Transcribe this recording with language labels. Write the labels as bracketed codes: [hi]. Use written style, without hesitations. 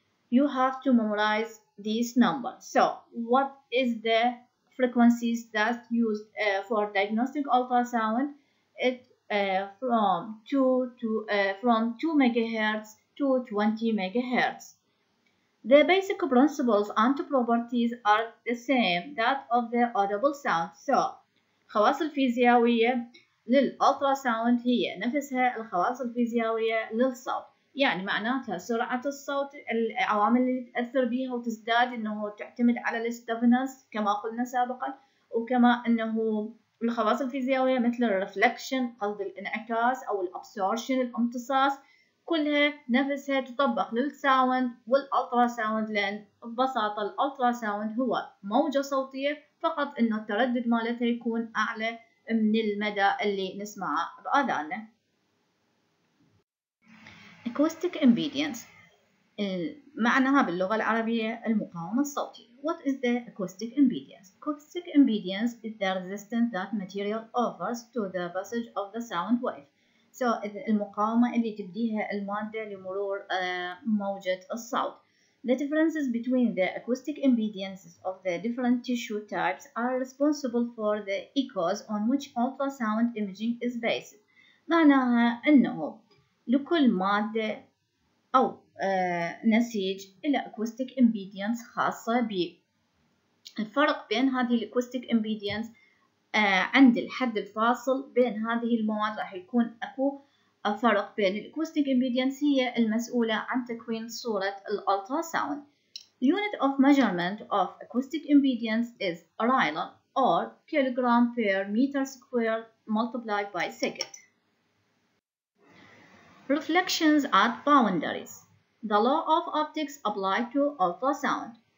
[en] You have to memorize these numbers. So, what is the frequencies that used for diagnostic ultrasound? From 2 MHz to 20 MHz. The basic principles and properties are the same that of the audible sound. [ar] So, خواص الفيزيائية للألتراساوند هي نفسها الخواص الفيزيائية للصوت. يعني معناتها سرعة الصوت العوامل اللي تأثر بها وتزداد إنه تعتمد على الاستفنس كما قلنا سابقا، وكما إنه الخواص الفيزيائية مثل الرفلكشن قصد الانعكاس أو الأبسورشن الامتصاص كلها نفسها تطبق للساوند والألتراساوند، لأن ببساطة الألتراساوند هو موجة صوتية فقط إنه التردد مالتها يكون أعلى من المدى اللي نسمعه بأذاننا. Acoustic impedance معناها باللغة العربية المقاومة الصوتية. [en] What is the acoustic impedance? Acoustic impedance is the resistance that material offers to the passage of the sound wave. [ar] So, المقاومة اللي تبديها المادة لمرور موجة الصوت. [en] The differences between the acoustic impedances of the different tissue types are responsible for the echoes on which ultrasound imaging is based. [ar] معناها أنه لكل مادة أو نسيج إلى acoustic impedance خاصة به. الفرق بين هذه acoustic impedance عند الحد الفاصل بين هذه المواد راح يكون أكو الفرق بين الأكوستيك إمبيدينس هي المسؤولة عن تكوين صورة الألتراساوند. [en] The unit of measurement of acoustic impedance is rilon or kilogram per meter squared multiplied by second. Reflections at boundaries. The law of optics applied to ultrasound.